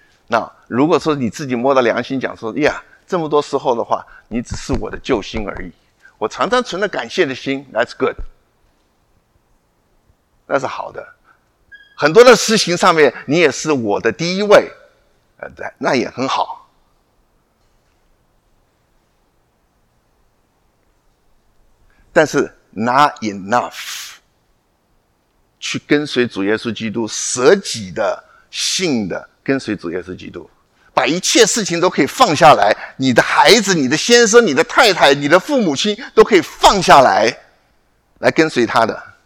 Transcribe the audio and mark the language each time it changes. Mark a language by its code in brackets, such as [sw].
[zh] 那如果说你自己摸到良心讲说，呀，这么多时候的话，你只是我的救星而已。我常常存着感谢的心 ， [en] That's good， [zh] 那是好的。很多的事情上面，你也是我的第一位，那也很好。但是 [en] not enough。 [zh] 去跟随主耶稣基督，舍己的信的跟随主耶稣基督，把一切事情都可以放下来，你的孩子、你的先生、你的太太、你的父母亲都可以放下来，来跟随他的。